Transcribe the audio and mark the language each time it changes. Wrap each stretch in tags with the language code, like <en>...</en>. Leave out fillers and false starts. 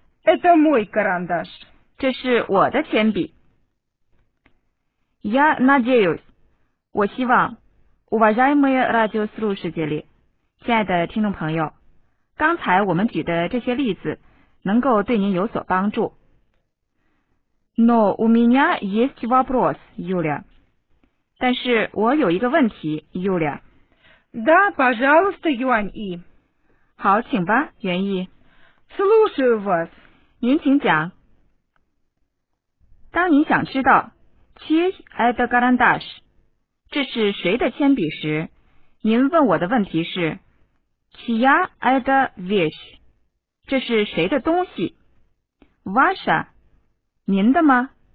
<ru>Это мой карандаш.</ru> <zh>这是我的铅笔。 Я надеюсь, 我希望 уважаемые радиослушатели, 亲爱的听众朋友，刚才我们举的这些例子能够对您有所帮助。</zh> <ru>Но у меня есть вопрос, Юля.</ru> <zh>但是我有一个问题 ,Юля.</zh> <ru>Да, пожалуйста, Юань И.</ru> <zh>好，请吧，袁毅。</zh> <ru>Слушаю вас.</ru> <zh>您请讲。当你想知道 чей это карандаш, 这是谁的铅笔时，您问我的问题是 чья это вещь, 这是谁的东西 , ваша, 您的吗？</zh>